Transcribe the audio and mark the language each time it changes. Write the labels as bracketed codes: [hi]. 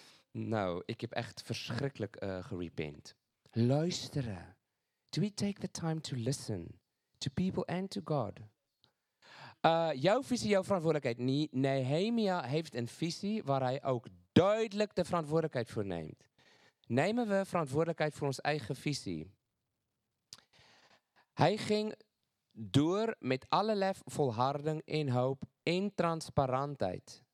[nl] Nou, ik heb echt verschrikkelijk gerepent. Luisteren. [en] Do we take the time to listen to people and to God? [nl] Jouw visie, jouw verantwoordelijkheid niet. Nehemia heeft een visie waar hij ook duidelijk de verantwoordelijkheid voor neemt. Nemen we verantwoordelijkheid voor ons eigen visie? Hij ging door met alle lef, volharding, inhoop en transparantheid.